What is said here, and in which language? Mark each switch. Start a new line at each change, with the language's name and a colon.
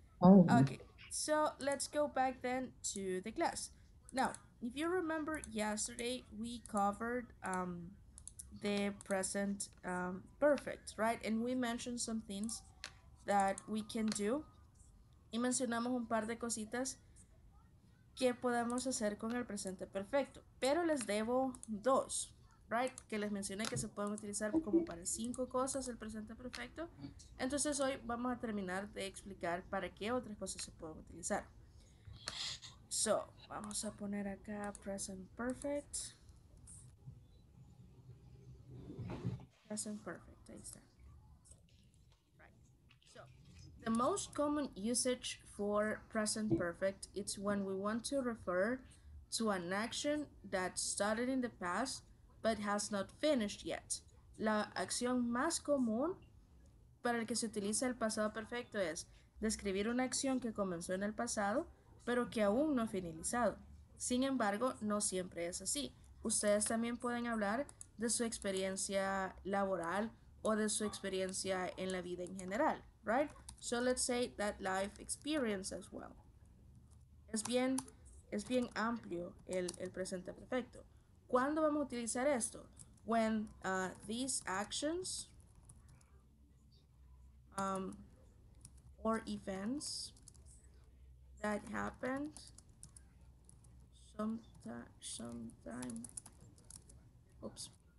English: Okay, so let's go back then to the class. Now, if you remember yesterday, we covered the present perfect, right? And we mentioned some things that we can do.
Spanish: Y mencionamos un par de cositas que podemos hacer con el presente perfecto. Pero les debo dos, right? Que les mencioné que se pueden utilizar como para cinco cosas el presente perfecto. Entonces hoy vamos a terminar de explicar para qué otras cosas se pueden utilizar. So, vamos a poner acá present perfect.
English: Present perfect, ahí está. Right. So, the most common usage for present perfect is when we want to refer to an action that started in the past but has not finished yet.
Spanish: La acción más común para el que se utiliza el pasado perfecto es describir una acción que comenzó en el pasado pero que aún no ha finalizado. Sin embargo, no siempre es así. Ustedes también pueden hablar de su experiencia laboral o de su experiencia en la vida en general, right?
English: So let's say that life experience as well. Es bien amplio el presente perfecto. ¿Cuándo vamos a utilizar esto? When these actions or events that happened sometime. Oops.